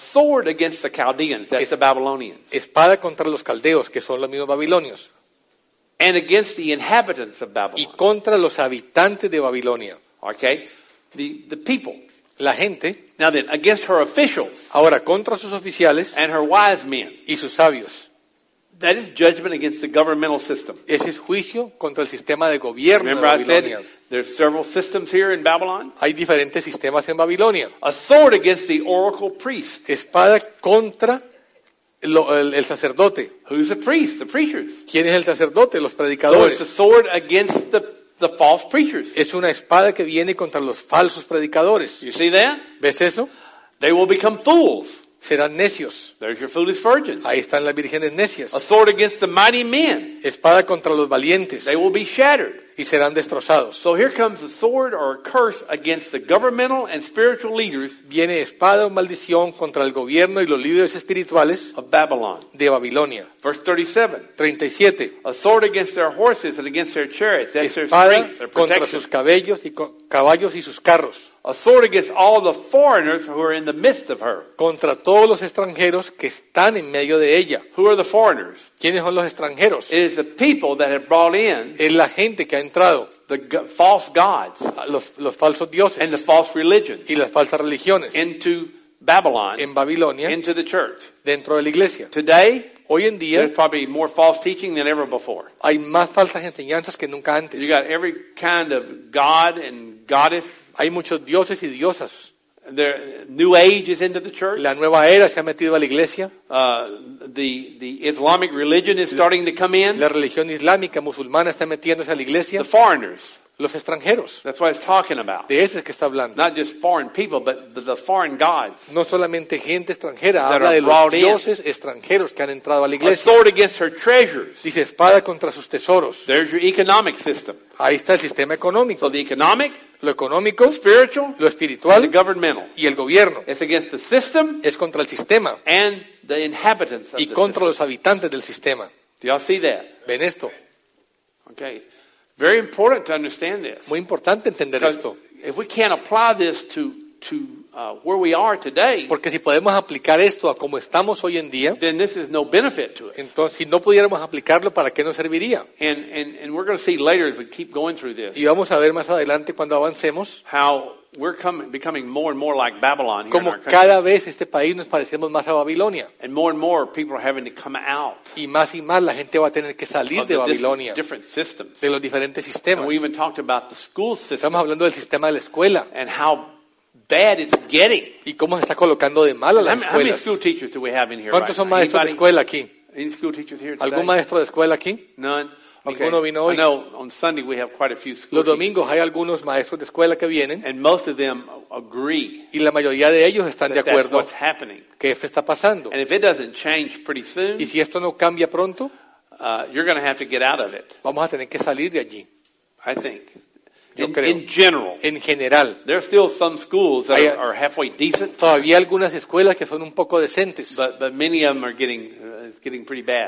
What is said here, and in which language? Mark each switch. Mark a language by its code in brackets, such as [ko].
[en] A sword against the Chaldeans, that's the Babylonians. [es] Espada contra los caldeos, que son los mismos babilonios. [en] And against the inhabitants of Babylon. [es] Y contra los habitantes de Babilonia. [en] Okay. The people. [es] La gente. [en] Now then, against her officials. [es] Ahora contra sus oficiales. [en] And her wise men. [es] Y sus sabios. [en] That is judgment against the governmental system. [es] Ese es juicio contra el sistema de gobierno. [en] Remember [es] de Babilonia. [en] I said there's several systems here in Babylon. [es] Hay diferentes sistemas en Babilonia. [en] A sword against the oracle priest. [es] Espada contra el sacerdote. [en] Who's the priest? The preachers. [es] ¿Quién es el sacerdote? Los predicadores. [en] So it's a sword against the false preachers. [es] Es una espada que viene contra los falsos predicadores. [en] You see that? [es] ¿Ves eso? [en] They will become fools. [es] Serán necios. [en] There's your foolish virgins. [es] Ahí están las vírgenes necias. [en] A sword against the mighty men. [es] Espada contra los valientes. [en] They will be shattered. [es] Y serán destrozados. [en] So here comes a sword or a curse against the governmental and spiritual leaders. [es] Viene espada o maldición contra el gobierno y los líderes espirituales [en] of Babylon. [es] De Babilonia. [en] Verse 37. [es] 37. [en] A sword against their horses and against their chariots. That's [es] espada [en] their strength, their protection. [es] Contra sus cabellos y caballos y sus carros. [en] A sword against all the foreigners who are in the midst of her. [es] Contra todos los extranjeros que están en medio de ella. [en] Who are the foreigners? [es] ¿Quiénes son los extranjeros? [en] It is the people that have brought in. [es] Es la gente que ha entrado. [en] The false gods. [es] Los falsos dioses. [en] And the false religions. [es] Y las falsas religiones. [en] Into Babylon. [es] En Babilonia. [en] Into the church. [es] Dentro de la iglesia. [en] Today. [es] Hoy en día. [en] There's probably more false teaching than ever before. [es] Hay más falsas enseñanzas que nunca antes. [en] You got every kind of god and goddess. [es] Hay muchos dioses y diosas. [en] New age is into the church. [es] La nueva era se ha metido a la iglesia. [en] The Islamic religion is starting to come in. [es] La religión islámica musulmana está metiéndose a la iglesia. [en] The foreigners. [es] Los extranjeros. [en] That's what it's talking about. [es] De eso es que está hablando. [en] Not just foreign people, but the foreign gods. [es] No solamente gente extranjera. Habla de los dioses extranjeros que han entrado a la iglesia. [en] A sword against her treasures. [es] Dice espada contra sus tesoros. [en] There's your economic system. [es] Ahí está el sistema económico. [en] So the economic. [es] Lo económico, [en] spiritual, [es] lo espiritual, [en] the governmental, [es] y el gobierno. [en] It's against the system, [es] es contra el sistema, [en] and the inhabitants of [es] y contra [en] the [es] los habitantes del sistema. [en] Do y'all see that? [es] ¿Ven esto? [en] Okay. Very important to understand this. [es] Muy importante entender esto. [en] If we can't apply this to where we are today, [es] porque si podemos aplicar esto a cómo estamos hoy en día, [en] then this is no benefit to us. [es] Entonces, si no pudiéramos aplicarlo, ¿para qué nos serviría? [en] And we're going to see later as we keep going through this. [es] Y vamos a ver más adelante cuando avancemos [en] how we're becoming more and more like Babylon here in our country. [es] Cada vez este país nos parecemos más a Babilonia. [en] And more people are having to come out. [es] Y más la gente va a tener que salir de Babilonia. [en] Different systems. [es] De los diferentes sistemas. [en] And we even talked about the school system. [es] Estamos hablando del sistema de la escuela. [en] And how bad it's getting. [es] ¿Y cómo se está colocando de mal a las escuelas? [en] How many school teachers do we have in here? [es] ¿Cuántos [en] right [es] son maestros [en] anybody [es] de escuela aquí? [en] Any school teachers here today? [es] ¿Algún maestro de escuela aquí? [en] None. [es] Okay. Ninguno vino hoy. [en] I know on Sunday we have quite a few school [es] los domingos hay algunos maestros de escuela que vienen. [en] And most of them agree. [es] Y la mayoría de ellos están de acuerdo. [en] That's what's happening. [es] Que esto está pasando. [en] And if it doesn't change pretty soon. [es] Y si esto no cambia pronto. [en] You're going to have to get out of it. [es] Vamos a tener que salir de allí. [en] I think. [es] Yo creo. [en] In general. [es] En general. [en] There are still some schools that are halfway decent. [es] Todavía algunas escuelas que son un poco decentes. [en] But many of them are getting pretty bad.